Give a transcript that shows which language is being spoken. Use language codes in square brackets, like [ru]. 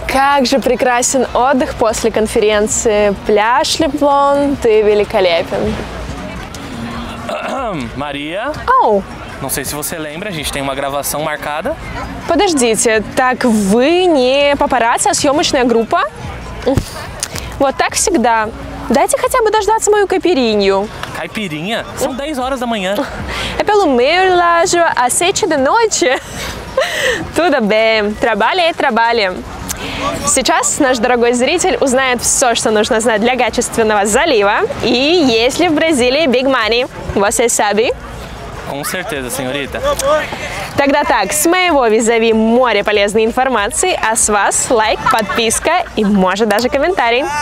[ru] Как же прекрасен отдых после конференции. Пляж Леблон, ты великолепен. [pt] Maria? Oh. Não sei se você lembra, a gente tem uma gravação marcada. [ru] Подождите, так вы не папарацци, а съемочная группа? Вот так всегда. Дайте хотя бы дождаться мою каипиринью. [pt] Caipirinha? São 10 horas da manhã. É pelo meu relógio, às 7 da noite. Tudo bem, trabalhe, trabalhe. [ru] Сейчас наш дорогой зритель узнает все, что нужно знать для качественного залива. И есть ли в Бразилии [en] big money? [pt] Você sabe? Com certeza, senhorita. [ru] Тогда так, с моего визави море полезной информации, а с вас лайк, подписка и может даже комментарий.